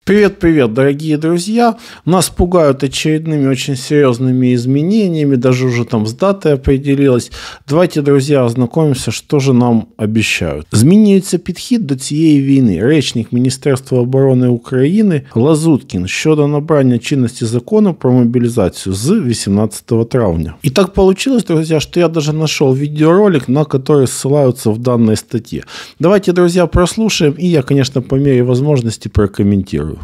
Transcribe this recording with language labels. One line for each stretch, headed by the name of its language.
Russian: Привет-привет, дорогие друзья. Нас пугают очередными очень серьезными изменениями, даже уже там с датой определилась. Давайте, друзья, ознакомимся, что же нам обещают.
Ukrainian: Змінюється підхід до цієї війни. Речник Міністерства оборони України Лазуткін щодо набрання чинності закону про мобілізацію з 18 травня.
Russian: І так получилось, друзья, що я даже нашел відеоролик, на который ссылаются в данной статье. Давайте, друзья, прослушаємо, і я, конечно, по мере возможности прокоментирую.